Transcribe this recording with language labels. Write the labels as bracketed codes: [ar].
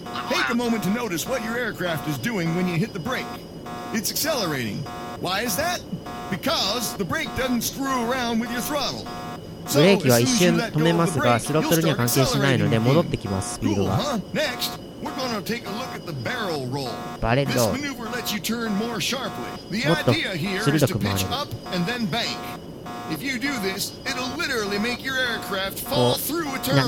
[en] Take a moment to notice what your aircraft is doing when you hit the brake. It's accelerating. Why is that? Because the brake doesn't screw around with your throttle. [ja] ブレーキは一瞬止めますが、スロットルには関係しないので戻ってきます、スピードが。 [en] Next, we're gonna take a look at the barrel roll. [ja] バレルロール。 [en] This maneuver lets you turn more sharply. The idea here is to pitch up and then bank. If you do this, it'll literally make your aircraft fall through a turn.